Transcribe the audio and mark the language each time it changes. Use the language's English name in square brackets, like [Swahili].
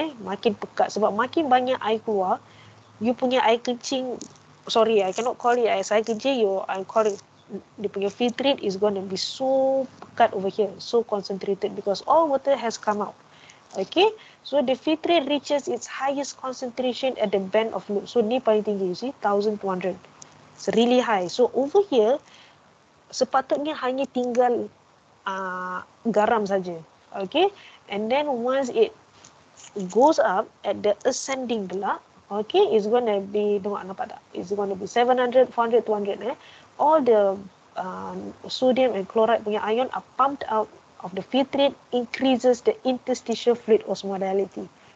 [Malay] Makin pekat sebab makin banyak air keluar, [English] you punya [Malay] air kencing, [English] sorry, I cannot call it as air kencing, dia punya filtrate is going to be so pekat over here, so concentrated because all water has come out. Okay, so the filtrate reaches its highest concentration at the band of loop. So [Malay] ni paling tinggi, [English] you see, 1200. It's really high. So over here, [Malay] sepatutnya hanya tinggal garam saja. [English] Okay, and then once it goes up at the ascending block, okay, it's going to be, [Malay] tengok nampak tak? [English] It's going to be 700, 400, 200. All the sodium and chloride punya ion are pumped out of the filtrate, increases the interstitial fluid osmolality.